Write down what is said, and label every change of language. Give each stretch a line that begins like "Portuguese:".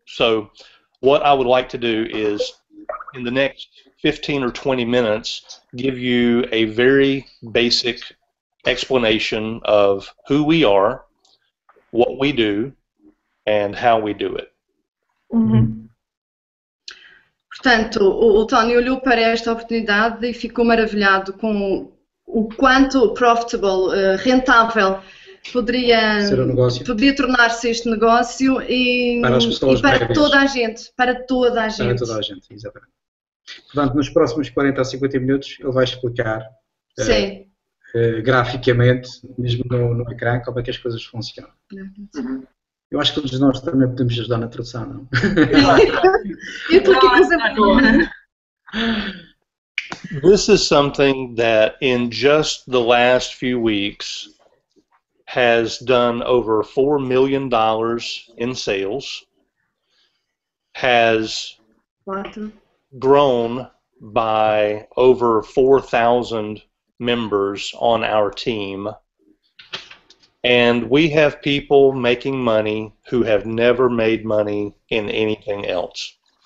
English: So, what I would like to do is in the next 15 or 20 minutes, give you a very basic explanation of who we are, what we do, and how we do it. Mm-hmm.
Portuguese: Portanto, o Tony olhou para esta oportunidade e ficou maravilhado com o quanto profitable, rentável, poderia tornar-se este negócio e para, as pessoas e para toda a gente. Para toda a gente. Para toda a gente, exatamente. Portanto, nos próximos 40 a 50 minutos, ele vai explicar graficamente, mesmo no ecrã, como é que as coisas funcionam. Uhum. Eu acho que todos nós também podemos ajudar na tradução, não? Eu estou aqui com a
English: This is something that in just the last few weeks has done over $4 million in sales, has grown by over 4,000 members on our team, and we have people making money who have never made money in anything else.